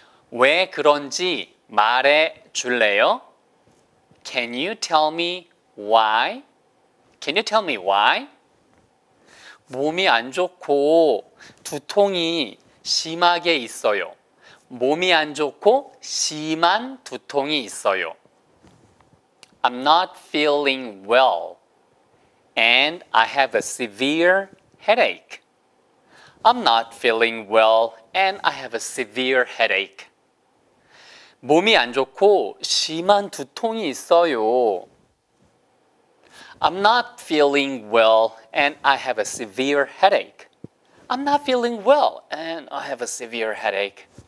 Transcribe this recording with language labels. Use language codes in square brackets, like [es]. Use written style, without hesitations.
[ko] 왜 그런지 말해 줄래요? [en] Can you tell me why? Can you tell me why? [ko] 몸이 안 좋고 두통이 심하게 있어요. 몸이 안 좋고 심한 두통이 있어요. [en] I'm not feeling well and I have a severe headache. I'm not feeling well and I have a severe headache. [ko] 몸이 안 좋고 심한 두통이 있어요. [en] I'm not feeling well and I have a severe headache. I'm not feeling well and I have a severe headache.